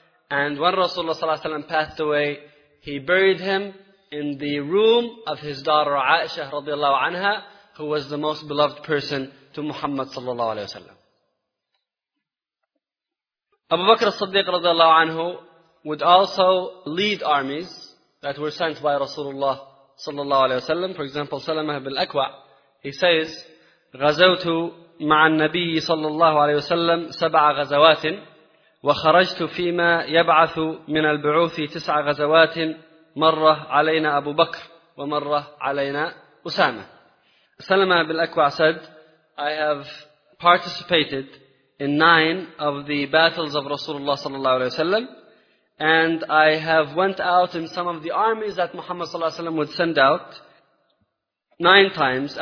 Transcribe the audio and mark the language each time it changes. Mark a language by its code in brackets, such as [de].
[en] And when Rasulullah sallallahu alayhi wa sallam passed away, he buried him in the room of his daughter Aisha radiallahu anha, who was the most beloved person to Muhammad sallallahu alayhi wa sallam. Abu Bakr as-Siddiq radiallahu anhu would also lead armies that were sent by Rasulullah sallallahu alayhi wa sallam. For example, Salamah ibn al-Akwa, he says, [ar] غَزَوْتُ مَعَ النَّبِيِّ صَلَّى اللَّهُ عَلَيْهِ وَسَلَّمْ سَبْعَ غَزَوَاتٍ وخرجت فيما يبعث من البعوث 9 غزوات مرة علينا أبو بكر ومرة علينا أسامة. [en] سلمة بن الأكوع said, I have participated in 9 of the battles of Rasulullah صلى الله عليه وسلم, and I have went out in some of the armies that Muhammad صلى الله عليه وسلم would send out 9 times.